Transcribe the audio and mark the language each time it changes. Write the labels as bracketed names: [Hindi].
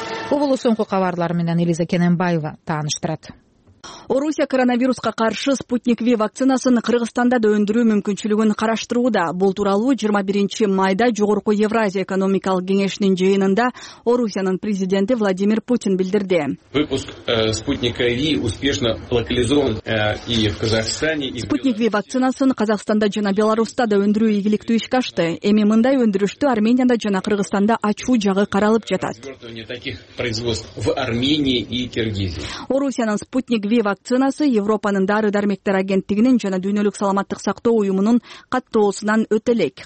[Kyrgyz] Облус соңку кабарлар менен Элиза Кененбаева тааныштырат. Орусия коронавируска каршы спутник V вакцинасын Кыргызстанда да өндүрүү мүмкүнчүлүгүн караштырууда. Бул тууралуу 21 майда Жогорку Евразия экономикалык кеңешинин жыйынында Орусиянын президенти Владимир Путин билдирди. [Russian] Выпуск спутника V успешно локализован и в Казахстане. [Kyrgyz] Спутник V вакцинасын Казахстанда жана Беларуста да өндүрүү ийгиликтүү иш ашты. Эми мындай өндүрүштү Арменияда жана Кыргызстанда ачуу жагы каралып жатат. [Russian] В Армении и Киргизии. [Kyrgyz] Орусиянын спутник V вакцинасы Европанын дары-дармектер агенттигинин жана дүйнөлүк саламаттык сактоо уюмунун каттоосунан өтө элек.